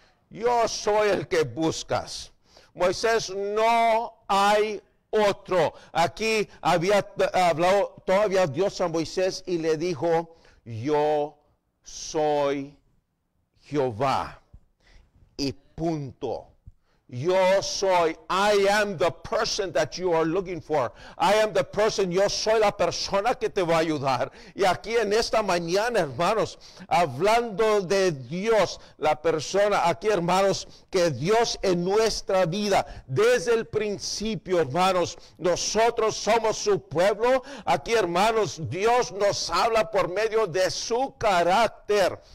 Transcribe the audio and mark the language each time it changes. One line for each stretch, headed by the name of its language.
Spanish: Yo soy el que buscas. Moisés, no hay otro. Aquí había hablado todavía Dios a Moisés y le dijo, yo soy Jehová. Y punto. Yo soy,
English: I am the person that you are looking for. I am the person,
Spanish: yo soy la persona que te va a ayudar. Y aquí en esta mañana, hermanos, hablando de Dios, la persona, aquí hermanos, que Dios en nuestra vida, desde el principio, hermanos, nosotros somos su pueblo. Aquí hermanos, Dios nos habla por medio de su carácter.